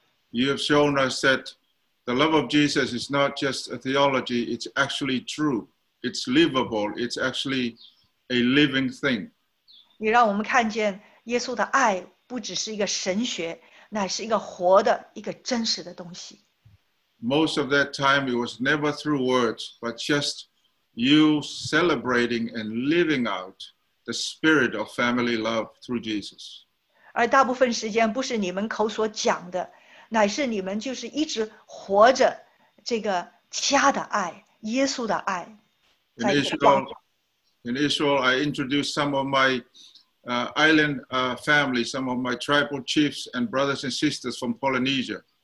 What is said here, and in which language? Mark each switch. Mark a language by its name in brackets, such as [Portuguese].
[English] you have shown us that the love of Jesus is not just a theology, it's actually true. It's livable, it's actually a living thing. [Chinese] 你让我们看见耶稣的爱, 不只是一个神学, 乃是一个活的, 一个真实的东西。 [English] Most of that time, it was never through words, but just you celebrating and living out the spirit of family love through Jesus. [Chinese] 而大部分时间不是你们口所讲的, 乃是你们就是一直活着这个家的爱, 耶稣的爱。 [English] In Israel, I introduced some of my island family, some of my tribal chiefs and brothers and sisters from Polynesia.